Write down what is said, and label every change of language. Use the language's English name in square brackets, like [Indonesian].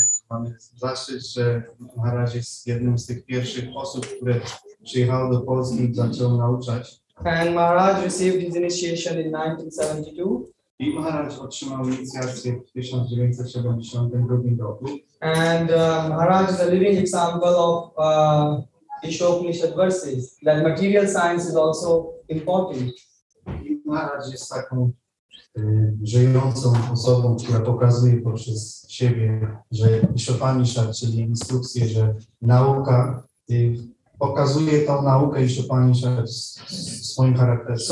[Polish] Mamy zaszczyt, że Maharaj jest jednym z tych pierwszych osób, które przyjechał do Polski i zaczął nauczać. [English] And Maharaj received his initiation in 1972. [Polish] I Maharaj otrzymał inicjację w 1972 roku. [English] And Maharaj is a living example of Isha Upanishad verses, that material science is also important. [Polish] I Maharaj jest taką żyjącą osobą, która pokazuje poprzez siebie, że Isha Upanishad, czyli instrukcje, że nauka pokazuje tą naukę Isha Upanishad w swoim charakterze.